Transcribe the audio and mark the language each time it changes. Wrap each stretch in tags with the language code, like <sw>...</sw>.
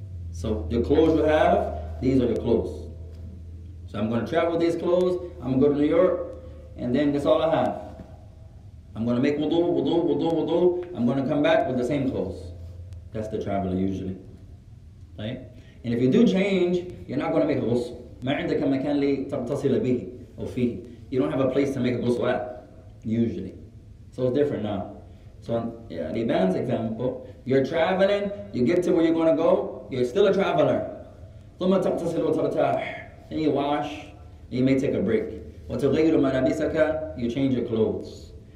<en>So your clothes you have, these are your clothes. So I'm going to travel with these clothes, I'm going to go to New York, and then that's all I have. I'm going to make wudu. I'm going to come back with the same clothes. That's the traveler usually. Right? And if you do change, you're not going to make a ghusl.</en> <ar>ما عندك مكان لتغتسل به أو فيه.</ar> <en>You don't have a place to make a ghusl at, usually. So it's different now. So on Liban's example, you're traveling, you get to where you're going to go, you're still a traveler.</en> <ar>ثم تغتسل وترتاح.</ar> <en>Then you wash, and you may take a break.</en> <ar>وتغير ملابسك,</ar> <en>you change your clothes.</en>